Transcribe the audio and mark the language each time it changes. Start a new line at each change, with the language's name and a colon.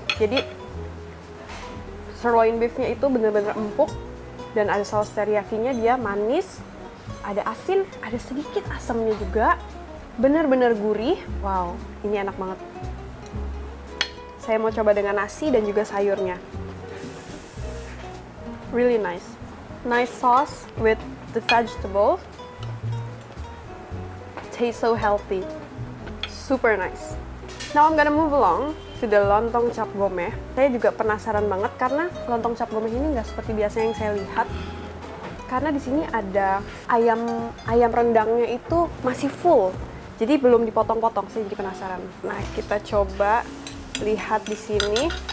Indonesian: Jadi sirloin beefnya itu benar-benar empuk dan ada saus teriyakinya, dia manis, ada asin, ada sedikit asamnya juga. Benar-benar gurih. Wow, ini enak banget. Saya mau coba dengan nasi dan juga sayurnya.
English: Really nice. Nice sauce with the vegetables. Tastes so healthy. Super nice. Now I'm gonna move along to the lontong cap gomeh.
Indonesian: Saya juga penasaran banget karena lontong cap gomeh ini nggak seperti biasanya yang saya lihat. Karena di sini ada ayam rendangnya itu masih full. Jadi belum dipotong-potong, saya jadi penasaran. Nah, kita coba lihat di sini.